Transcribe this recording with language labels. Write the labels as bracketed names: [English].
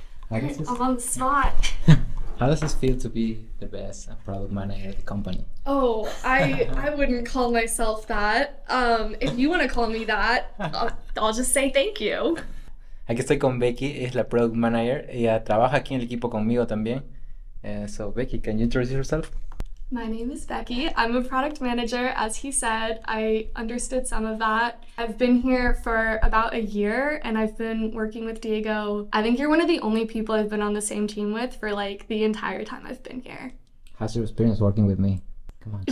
[English] On the spot. How does this feel to be the best product manager at the company? Oh, I wouldn't call myself that. If you want to call me that, I'll just say thank you. [Spanish] Aquí estoy con Becky, es la product manager. Ella trabaja aquí en el equipo conmigo también. [English] So Becky, can you introduce yourself? My name is Becky. I'm a product manager. As he said, I understood some of that. I've been here for about a year and I've been working with Diego. I think you're one of the only people I've been on the same team with for like the entire time I've been here. How's your experience working with me? Come on.